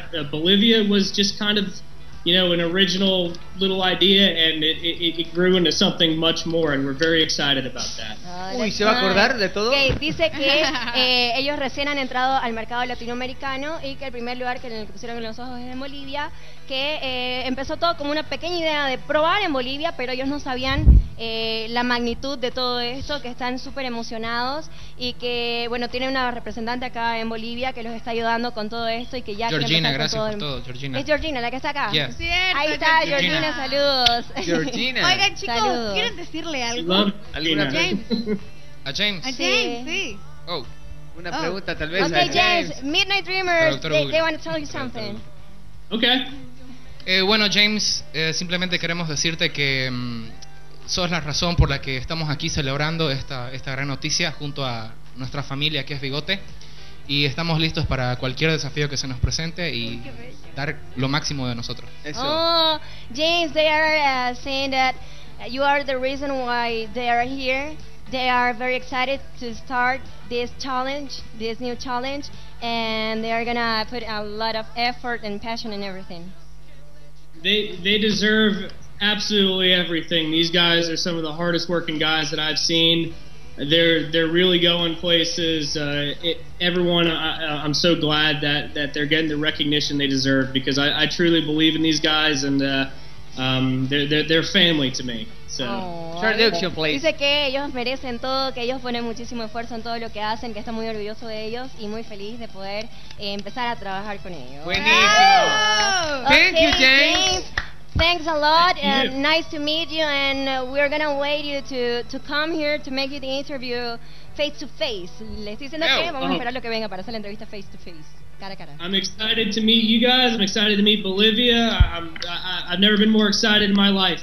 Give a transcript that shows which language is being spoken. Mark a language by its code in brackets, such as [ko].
[en] Bolivia was just kind of, you know, an original little idea, and it grew into something much more, and we're very excited about that. [es] Uy, ¿se va a acordar de todo? Que dice que ellos recién han entrado al mercado latinoamericano y que el primer lugar que en el que pusieron los ojos es en Bolivia, que empezó todo como una pequeña idea de probar en Bolivia, pero ellos no sabían la magnitud de todo esto, que están súper emocionados y que, bueno, tienen una representante acá en Bolivia que los está ayudando con todo esto y que ya... Georgina, gracias por todo, Georgina. Es Georgina la que está acá. [en] Yeah. [es] Cierto, ahí está, Georgina, saludos. Georgina. Oigan, chicos, saludos. ¿Quieren decirle algo? A James. A James. A James, sí. Oh, una pregunta tal vez. [en] Okay, James, Midnight Dreamers, they want to tell you something. Okay. [es] Bueno, James, simplemente queremos decirte que sos la razón por la que estamos aquí celebrando esta gran noticia junto a nuestra familia, que es Bigote, y estamos listos para cualquier desafío que se nos presente y dar lo máximo de nosotros. Eso. [en] Oh, James, they are saying that you are the reason why they are here. They are very excited to start this challenge, this new challenge, and they are gonna put a lot of effort and passion and everything. They deserve absolutely everything. These guys are some of the hardest working guys that I've seen. They're really going places. I'm so glad that they're getting the recognition they deserve, because I truly believe in these guys, and they're family to me. Traduction, please. [es] Dice que ellos merecen todo, que ellos ponen muchísimo esfuerzo en todo lo que hacen, que está muy orgulloso de ellos y muy feliz de poder empezar a trabajar con ellos. Buenísimo. [en] Thank you, James. Thanks a lot, and nice to meet you, and we're going to wait you to come here to make you the interview face to face. [es] Le estoy diciendo que vamos a esperar lo que venga para hacer la entrevista [en] face to face. I'm excited to meet you guys. I'm excited to meet Bolivia. I've never been more excited in my life.